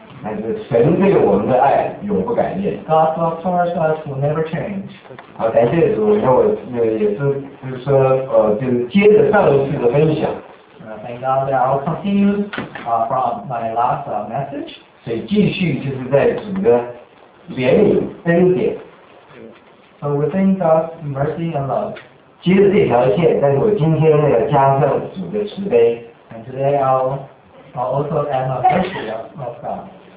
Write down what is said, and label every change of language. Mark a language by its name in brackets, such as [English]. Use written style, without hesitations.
[Chinese] 但是 神对我们的爱, 永不改变。 [English] God's love towards us will never change. [Chinese] 感谢主，让我也是就是说，就接着上一次的分享。 [English] Thank God that I'll continue from my last message. [Chinese] 所以继续就是在主的怜悯恩典。 [English] So within God's mercy and love. [Chinese] 接着这条线，但是我今天要加上主的慈悲。 [English] And today I'll also add a mercy of God.